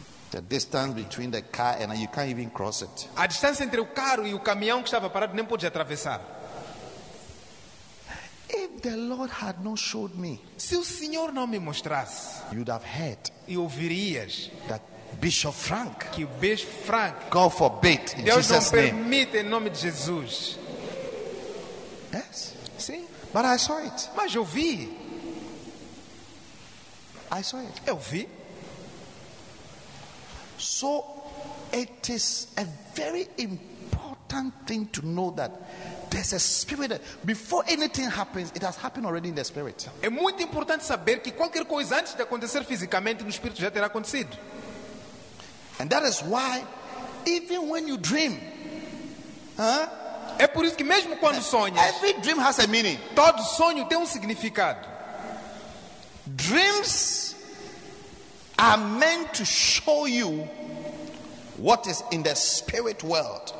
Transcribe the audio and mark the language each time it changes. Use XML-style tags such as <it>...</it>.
<en>The distance between the car and you can't even cross it.</en> <pt>A distância entre o carro e o caminhão que estava parado nem podia atravessar.</pt> <en>If the Lord had not showed me,</en> <pt>se o Senhor não me mostrasse,</pt> <en>you'd have heard,</en> <pt>e ouvirias,</pt> <en>that Bishop Frank,</en> <pt>que o Bishop Frank,</pt> <en>God forbid, in</en> <pt>Deus Jesus não permite em nome de Jesus.</pt> <en>Yes.</en> <pt>Sim.</pt> <en>But I saw it.</en> <pt>Mas eu vi.</pt> <en>I saw it.</en> <pt>Eu vi.</pt> <en>So it is a very important thing to know that there's a spirit that before anything happens, it has happened already in the spirit.</en> <pt>É muito importante saber que qualquer coisa antes de acontecer fisicamente no espírito já terá acontecido.</pt> <en>And that is why even when you dream,</en> <pt>é por isso que mesmo quando sonhas,</pt> <en>every dream has a meaning.</en> <pt>Todo sonho tem um significado.</pt> <en>Dreams are meant to show you what is in the spirit world.</en>